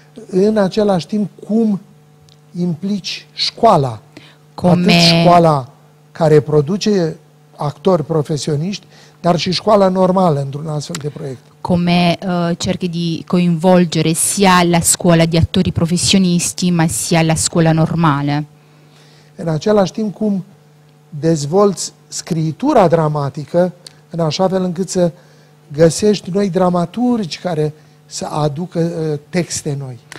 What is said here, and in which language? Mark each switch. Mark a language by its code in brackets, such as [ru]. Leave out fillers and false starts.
[ro] In același timp, cum implici școala? [it] Come [ro] școala care produce actori profesioniști, dar și școala normală într-un astfel de proiect. [it] Come cerchi di coinvolgere sia la scuola di attori professionisti, ma sia la scuola normale. [ro] În același timp, cum dezvolți scritura dramatică, în așa fel încât să găsești noi dramaturgi care să aducă texte noi.